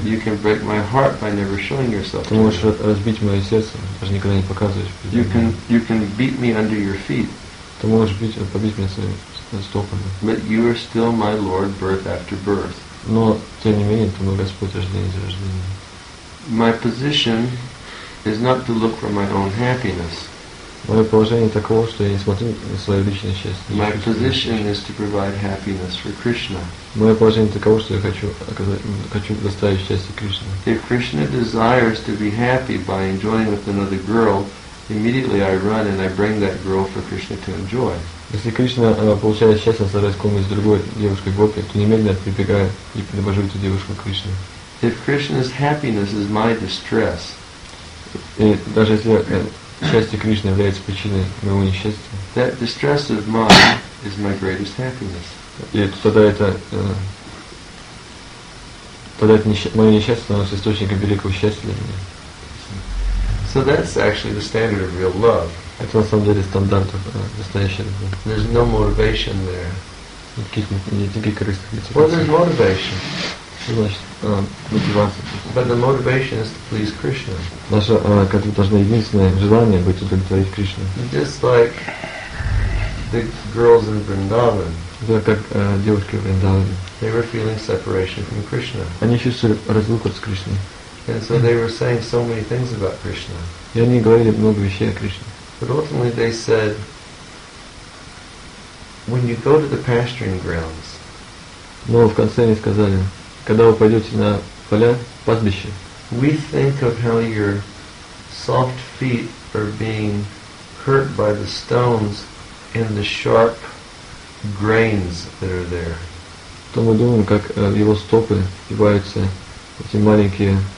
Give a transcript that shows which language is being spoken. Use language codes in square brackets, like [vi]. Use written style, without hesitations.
[en] You can break my heart by never showing yourself. [ru] Ты можешь разбить мое сердце, даже никогда не показываешь. [en] You can beat me under your feet. [ru] Ты можешь побить меня своими стопами. [en] But you are still my Lord, birth after birth. [ru] Но тем не менее, ты мой Господь, рождение за рождение. [en] My position is not to look for my own happiness. [ru] Мое положение таково, что я не смотрю на свое личное счастье. [en] My position is to provide happiness for Krishna. [ru] Мое положение таково, что я хочу доставить счастье Кришне. [en] If Krishna desires to be happy by enjoying with another girl, immediately I run and I bring that girl for Krishna to enjoy. [ru] Если Кришна получает счастье, стараясь кормить с другой девушкой гопи, то немедленно прибегаю и привожу эту девушку к Кришне. [en] If Krishna's happiness is my distress, [ru] и даже если счастье Кришны является причиной моего несчастья, [en] that distress of mine is my greatest happiness. [ru] И тогда это мое несчастье становится источником великого счастья для меня. [en] So that's actually the standard of real love. [ru] Это на самом деле стандарт настоящей любви. [en] There's no motivation there. [ru] Никаких корыстных мотиваций. [en] Well, there's motivation. [ru] Мотивация. [en] But the motivation is to please Krishna. [ru] Наше, как бы, должно единственное желание быть удовлетворить Кришну. [en] Just like the girls in Vrindavan. [ru] Да, как девушки в Вриндаване. [en] They were feeling separation from Krishna. [ru] Они чувствовали разлуку с Кришной. [en] And so they were saying so many things about Krishna. [ru] И они говорили много вещей о Кришне. [en] But ultimately they said, when you go to the pasturing grounds, [ru] но в конце они сказали, когда вы пойдете на поля, пастбище, [en] we think of how your soft feet are being hurt by the stones and the sharp grains that are there. [ru] То мы думаем, как его стопы пиваются эти маленькие